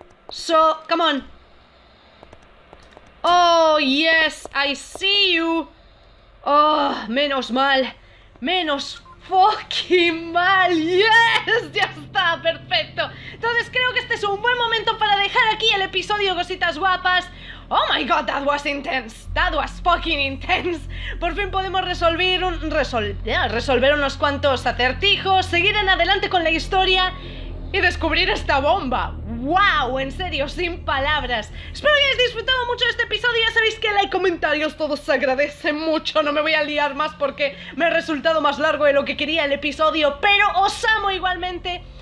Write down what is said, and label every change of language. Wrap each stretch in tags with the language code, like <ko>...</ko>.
<en>So, come on. Oh, yes, I see you.</en> <es>Oh, menos mal. Menos fucking mal. Yes, ya está, perfecto. Entonces creo que este es un buen momento para dejar aquí el episodio, cositas guapas.</es> <en>Oh my god, that was intense. That was fucking intense.</en> <es>Por fin podemos resolver unos cuantos acertijos, seguir en adelante con la historia y descubrir esta bomba. ¡Wow! En serio, sin palabras. Espero que hayáis disfrutado mucho de este episodio. Ya sabéis que like, comentarios, todo se agradece mucho. No me voy a liar más porque me ha resultado más largo de lo que quería el episodio, pero os amo igualmente.</es>